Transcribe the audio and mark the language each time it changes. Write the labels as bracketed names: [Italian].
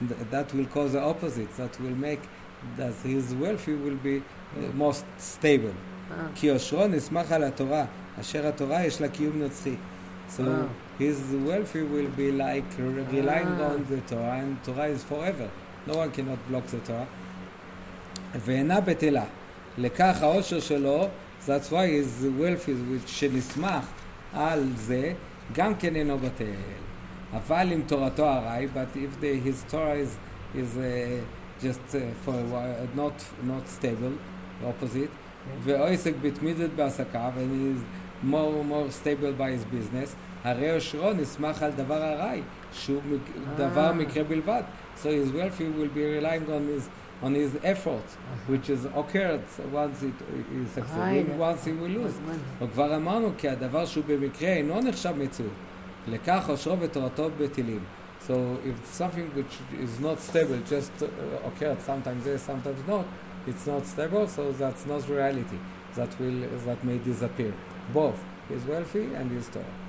[English] That will cause the opposite, that will make that his wealthy will be most stable. [Hebrew] כי אושרו נסמך על התורה, אשר התורה יש לה קיום נצחי. [English] So his wealthy will be like relying on the Torah, and Torah is forever. No one cannot block the Torah. [Hebrew] ואינה בטלה. לכך האושר שלו, [English] that's why his wealthy [Hebrew] שנסמך על זה, גם כן אינו בטל. אבל אם תורתו הרי, [English] but if his Torah is just for a while, not stable, opposite, [Hebrew] ועוסק בתמידות בעסקה, [English] and he's more stable by his business, [Hebrew] הרי אושרו נסמך על דבר הרי, שהוא דבר מקרה בלבד. [English] So his wealthy will be relying on his efforts, which is occurred once it is succeeding, once he will lose. [Hebrew] וכבר אמרנו כי הדבר שהוא במקרה אינו נחשב מציאות, לכך אושרו ותורתו בטלים. [English] So if something which is not stable, just occurred sometimes there, sometimes not, it's not stable, so that's not reality. That may disappear. Both his wealthy and his Torah.